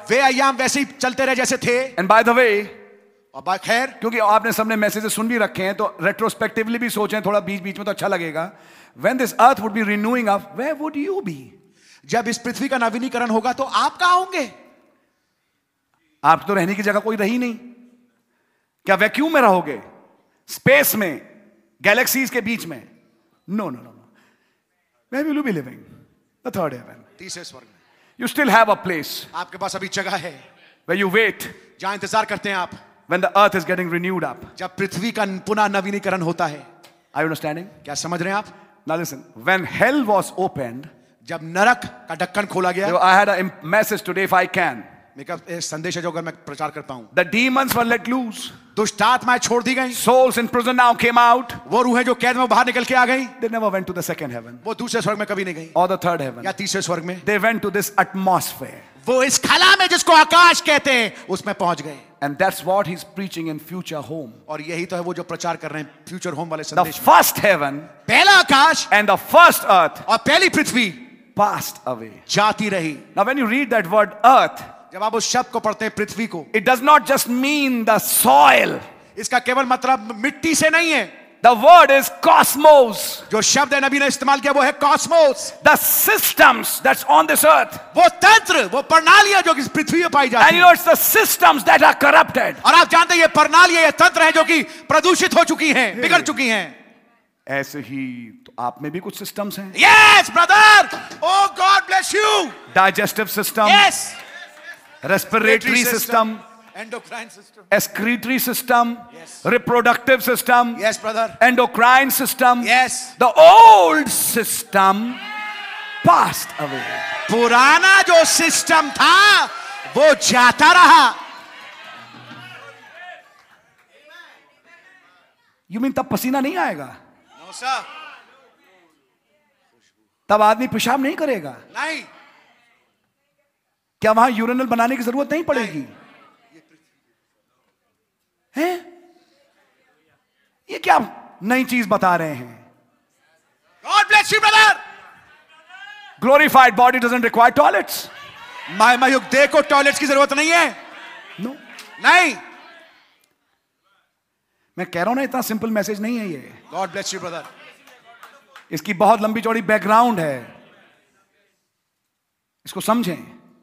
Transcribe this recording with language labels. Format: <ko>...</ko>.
<hi>वे आयाम वैसे ही चलते रहे जैसे थे.</hi> <en>And by the way,</en> <hi>और बात खैर, क्योंकि आपने सबने मैसेज सुन भी रखे हैं तो रेट्रोस्पेक्टिवली भी सोचें थोड़ा बीच बीच में तो अच्छा लगेगा.</hi> <en>When this earth would be renewing up, where would you be?</en> <hi>जब इस पृथ्वी का नवीनीकरण होगा तो आप कहां होंगे? आप तो रहने की जगह कोई रही नहीं. क्या वैक्यूम में रहोगे, स्पेस में, गैलेक्सीज के बीच में?</hi> <en>No no no. Where will you be living? The third heaven.</en> <hi>तीसरे स्वर्ग.</hi> <en>You still have a place.</en> <hi>आपके पास अभी जगह है.</hi> <en>Where you wait.</en> <hi>जहां इंतजार करते हैं आप.</hi> <en>When the earth is getting renewed up.</en> <hi>जब पृथ्वी का पुनः नवीनीकरण होता है.</hi> <en>Are you understanding?</en> <hi>क्या समझ रहे हैं आप?</hi> <en>Now listen. When hell was opened.</en> <hi>जब नरक का ढक्कन खोला गया.</hi> <en>I had a message today if I can.</en> <hi>संदेश है जो अगर मैं प्रचार करता हूं.</hi> <en>The demons were let loose.</en> <hi>दुष्टात्माएं छोड़ दी गई.</hi> <en>Souls in prison now came out.</en> <hi>वो रूहें जो कैद में बाहर निकल के आ गई.</hi> <en>They never went to the second heaven.</en> <hi>वो दूसरे स्वर्ग में कभी नहीं गई.</hi> <en>Or the third heaven.</en> <hi>या तीसरे स्वर्ग में.</hi> <en>They went to this atmosphere.</en> <hi>वो इस खला में जिसको आकाश कहते हैं उसमें पहुंच गए.</hi> <en>And that's what he's preaching in future home.</en> <hi>और यही तो है वो जो प्रचार कर रहे हैं future home वाले</hi> <en>संदेश. The first heaven.</en> <hi>पहला आकाश.</hi> <en>And the first earth.</en> <hi>और पहली पृथ्वी.</hi> <en>Passed away.</en> <hi>जाती रही.</hi> <en>Now when you read that word earth.</en> <hi>जब आप उस शब्द को पढ़ते हैं पृथ्वी को.</hi> <en>It does not just mean the soil.</en> <hi>इसका केवल मतलब मिट्टी से नहीं है.</hi> <en>The word is cosmos.</en> <hi>जो शब्द है नबी ने इस्तेमाल किया वो है cosmos.</hi> <en>The systems that's on this earth.</en> <hi>वो तंत्र, वो प्रणालियां जो कि पृथ्वी पर पाई जाती है.</hi> <en>And you know, it's the systems that are corrupted.</en> <hi>और आप जानते हैं ये प्रणालियां, ये तंत्र है जो कि प्रदूषित हो चुकी हैं, बिगड़ चुकी हैं. ऐसे ही तो आप में भी कुछ सिस्टम्स हैं.</hi> <en>Yes, brother. Oh, God bless you. Digestive system. Yes. Respiratory system. Endocrine system. Excretory system. Yes. Reproductive system. Yes, brother. Endocrine system. Yes. The old system passed away.</en> <hi>Purana jo system tha, wo jata raha.</hi> <en>You mean</en> <hi>tab pasina nahi aayega?</hi> <en>No, sir.</en> <hi>Tab aadmi peshab nahi karega? Nahi. Kya wahan urinal banane ki zarurat nahi padegi? है? ये क्या नई चीज बता रहे हैं.</hi> <en>God bless you, brother. Glorified body doesn't require toilets.</en> <hi>महायुग देखो toilets की जरूरत नहीं है.</hi> <en>No.</en> <hi>नहीं मैं कह रहा हूं ना, इतना सिंपल मैसेज नहीं है ये.</hi> <en>God bless you, brother.</en> <hi>इसकी बहुत लंबी चौड़ी बैकग्राउंड है, इसको समझें.</hi>